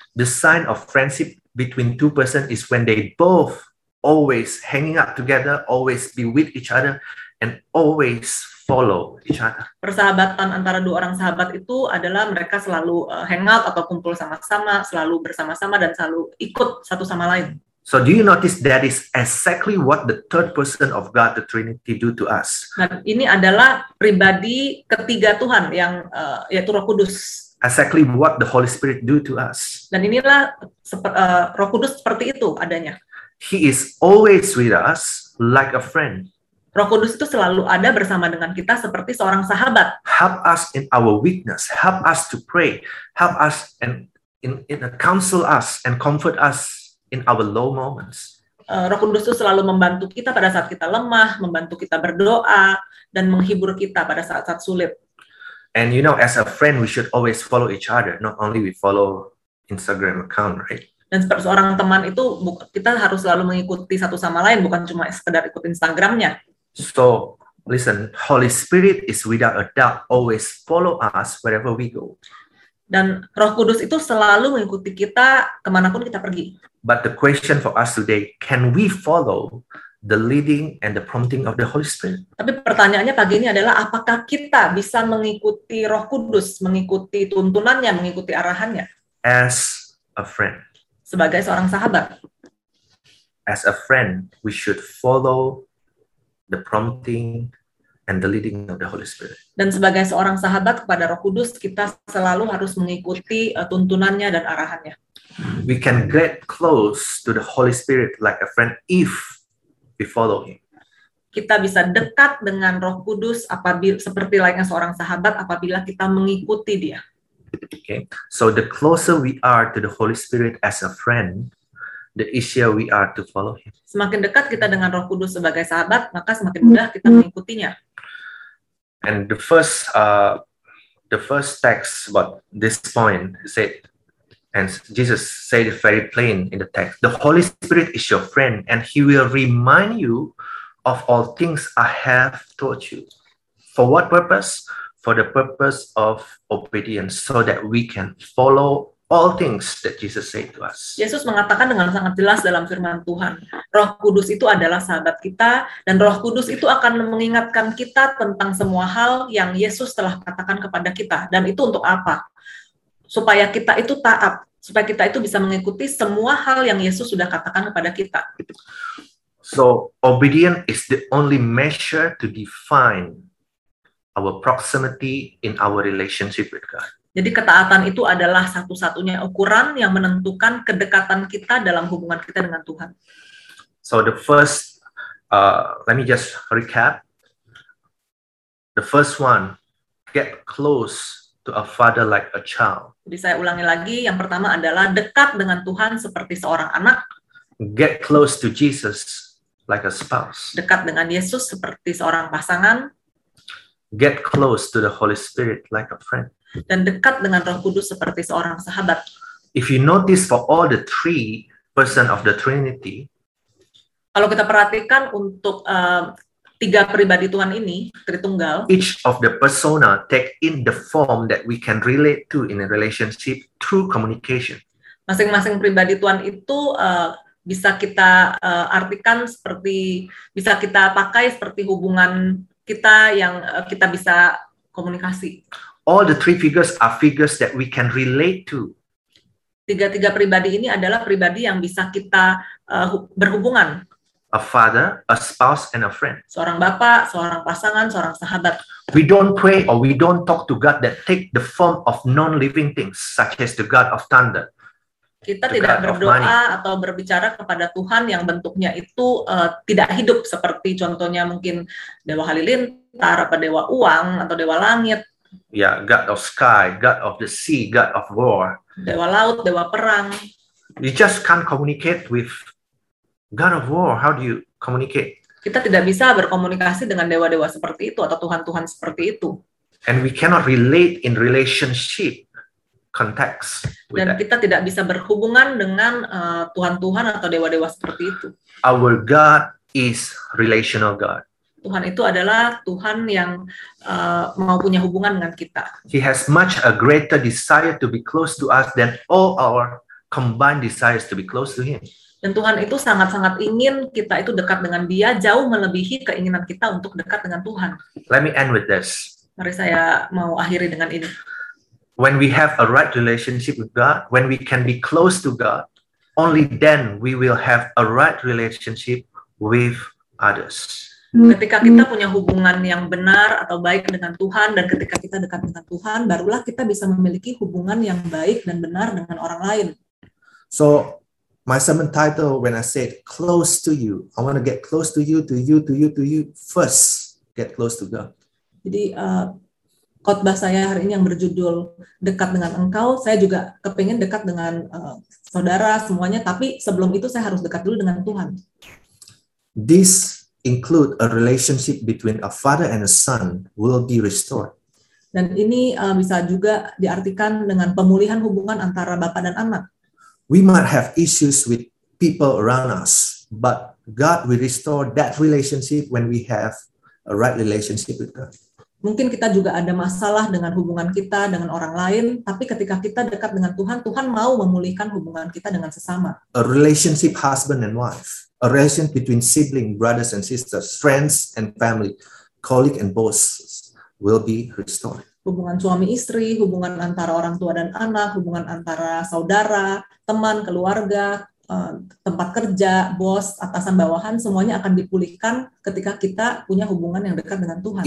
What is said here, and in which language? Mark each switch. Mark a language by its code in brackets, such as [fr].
[en] The sign of friendship between two person is when they both always hanging out together, always be with each other, and always follow each other. [id] Persahabatan antara dua orang sahabat itu adalah mereka selalu hangout atau kumpul sama-sama, selalu bersama-sama, dan selalu ikut satu sama lain. [en] So do you notice that is exactly what the third person of God, the Trinity, do to us? [id] Dan ini adalah pribadi ketiga Tuhan, yang yaitu Roh Kudus. [en] Exactly what the Holy Spirit do to us. [id] Dan inilah Roh Kudus seperti itu adanya. [en] He is always with us like a friend. [id] Roh Kudus itu selalu ada bersama dengan kita seperti seorang sahabat. [en] Help us in our weakness. Help us to pray. Help us and in counsel us and comfort us in our low moments. [id] Roh Kudus itu selalu membantu kita pada saat kita lemah, membantu kita berdoa, dan menghibur kita pada saat-saat sulit. [en] And you know, as a friend, we should always follow each other. Not only we follow Instagram account, right? [id] Dan seorang teman itu kita harus selalu mengikuti satu sama lain, bukan cuma sekedar ikut Instagramnya. [en] So, listen, Holy Spirit is without a doubt always follow us wherever we go. [id] Dan Roh Kudus itu selalu mengikuti kita kemanapun kita pergi. [en] But the question for us today, can we follow the leading and the prompting of the Holy Spirit? [id] Tapi pertanyaannya pagi ini adalah, apakah kita bisa mengikuti Roh Kudus, mengikuti tuntunannya, mengikuti arahannya? [en] As a friend. [id] Sebagai seorang sahabat. [en] As a friend, we should follow the prompting and the leading of the Holy Spirit. [id] Dan sebagai seorang sahabat kepada Roh Kudus, kita selalu harus mengikuti tuntunannya dan arahannya. [en] We can get close to the Holy Spirit like a friend if we follow him. [id] Kita bisa dekat dengan Roh Kudus seperti layaknya seorang sahabat apabila kita mengikuti dia. [en] Okay, so the closer we are to the Holy Spirit as a friend, the easier we are to follow him. [id] Semakin dekat kita dengan Roh Kudus sebagai sahabat, maka semakin mudah kita mengikutinya. [en] And the first text about this point said, and Jesus said it very plain in the text, the Holy Spirit is your friend and he will remind you of all things I have taught you. For what purpose? For the purpose of obedience, so that we can follow all things that Jesus said to us. [id] Yesus mengatakan dengan sangat jelas dalam firman Tuhan, Roh Kudus itu adalah sahabat kita, dan Roh Kudus itu akan mengingatkan kita tentang semua hal yang Yesus telah katakan kepada kita. Dan itu untuk apa? Supaya kita itu taat, supaya kita itu bisa mengikuti semua hal yang Yesus sudah katakan kepada kita. [en] So, obedience is the only measure to define our proximity in our relationship with God. [id] Jadi ketaatan itu adalah satu-satunya ukuran yang menentukan kedekatan kita dalam hubungan kita dengan Tuhan. [en] So the first, let me just recap. The first one, get close to a father like a child. [id] Jadi saya ulangi lagi, yang pertama adalah dekat dengan Tuhan seperti seorang anak. [en] get close to Jesus like a spouse. [id] Dekat dengan Yesus seperti seorang pasangan. [en] Get close to the Holy Spirit like a friend. [id] Dan dekat dengan Roh Kudus seperti seorang sahabat. [en] If you notice for all the three person of the Trinity, [id] kalau kita perhatikan untuk tiga pribadi Tuhan ini, Tritunggal, [en] each of the persona take in the form that we can relate to in a relationship through communication. [id] Masing-masing pribadi Tuhan itu bisa kita artikan seperti, bisa kita pakai seperti hubungan kita yang kita bisa komunikasi. [en] All the three figures are figures that we can relate to. [id] Tiga-tiga pribadi ini adalah pribadi yang bisa kita berhubungan. [en] A father, a spouse, and a friend. [id] Seorang bapak, seorang pasangan, seorang sahabat. [en] We don't pray or we don't talk to God that take the form of non-living things, such as the God of thunder. [id] Kita tidak berdoa atau berbicara kepada Tuhan yang bentuknya itu tidak hidup, seperti contohnya mungkin Dewa Halilintar, apa Dewa Uang, atau Dewa Langit. [en] Yeah, God of sky, God of the sea, God of war. [id] Dewa laut, dewa perang. [en] You just can't communicate with God of war. How do you communicate? [id] Kita tidak bisa berkomunikasi dengan dewa-dewa seperti itu atau tuhan-tuhan seperti itu. [en] And we cannot relate in relationship context. [id] Dan kita tidak bisa berhubungan dengan tuhan-tuhan atau dewa-dewa seperti itu. [en] Our God is relational God. [id] Tuhan itu adalah Tuhan yang mau punya hubungan dengan kita. [en] He has much a greater desire to be close to us than all our combined desires to be close to him. [id] Dan Tuhan itu sangat-sangat ingin kita itu dekat dengan dia, jauh melebihi keinginan kita untuk dekat dengan Tuhan. [en] Let me end with this. [id] Mari saya mau akhiri dengan ini. [en] When we have a right relationship with God, when we can be close to God, only then we will have a right relationship with others. [id] Ketika kita punya hubungan yang benar atau baik dengan Tuhan, dan ketika kita dekat dengan Tuhan, barulah kita bisa memiliki hubungan yang baik dan benar dengan orang lain. [en] So, my sermon title when I said close to you, I want to get close to you first, get close to God. [id] Jadi, khotbah saya hari ini yang berjudul dekat dengan engkau, saya juga kepengen dekat dengan saudara semuanya, tapi sebelum itu saya harus dekat dulu dengan Tuhan. [en] This include a relationship between a father and a son will be restored. [id] Dan ini bisa juga diartikan dengan pemulihan hubungan antara bapak dan anak. [en] We might have issues with people around us, but God will restore that relationship when we have a right relationship with God. [id] Mungkin kita juga ada masalah dengan hubungan kita dengan orang lain, tapi ketika kita dekat dengan Tuhan, Tuhan mau memulihkan hubungan kita dengan sesama. [en] A relationship husband and wife. A relation between siblings, brothers and sisters, friends and family, colleague and boss will be restored. [id] Hubungan suami istri, hubungan antara orang tua dan anak, hubungan antara saudara, teman, keluarga, tempat kerja, bos, atasan, bawahan, semuanya akan dipulihkan ketika kita punya hubungan yang dekat dengan Tuhan.